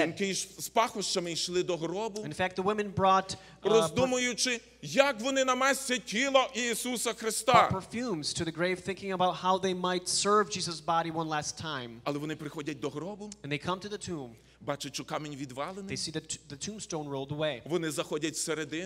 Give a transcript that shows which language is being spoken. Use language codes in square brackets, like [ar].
[uk] Жінки з пахощами йшли до гробу. [en] In fact, the women brought [uk] роздумуючи, як вони намастять тіло Ісуса Христа. [en] Brought perfumes to the grave, thinking about how they might serve Jesus' body one last time. [uk] Але вони приходять до гробу. [en] And they come to the tomb. [uk] Бачать, що камінь відвалений. [en] They see the tombstone rolled away. [uk] Вони заходять всередину.